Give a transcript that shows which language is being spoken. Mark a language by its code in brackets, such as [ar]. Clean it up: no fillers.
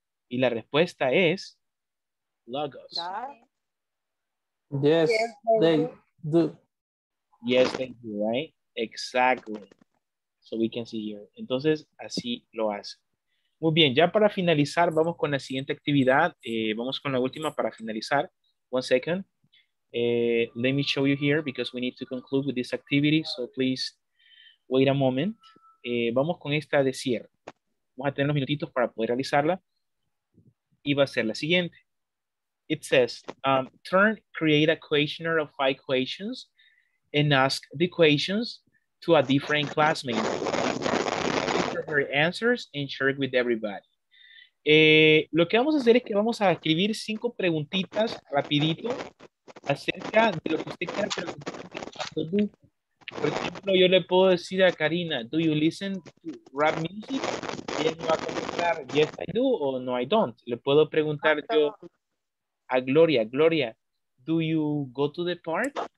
[es] Y la respuesta es logos. [en] Yes, they do. Yes, they do, right? Exactly. So we can see here. [es] Entonces, así lo hace. Muy bien, ya para finalizar, vamos con la siguiente actividad. Vamos con la última para finalizar. [en] One second. Let me show you here because we need to conclude with this activity. So please wait a moment. [es] Vamos con esta de cierre. Vamos a tener unos minutitos para poder realizarla. Y va a ser la siguiente. [en] It says, turn, create a questionnaire of 5 questions and ask the questions to a different classmate. Answer her answers and share it with everybody. [es] Lo que vamos a hacer es que vamos a escribir 5 preguntitas rapidito acerca de lo que usted quiera preguntar. Por ejemplo, yo le puedo decir a Karina, [en] do you listen to rap music? [es] Y él me va a contestar, [en] yes I do [es] o [en] no I don't. [es] Le puedo preguntar yo a Gloria, Gloria, [en] do you go to the park?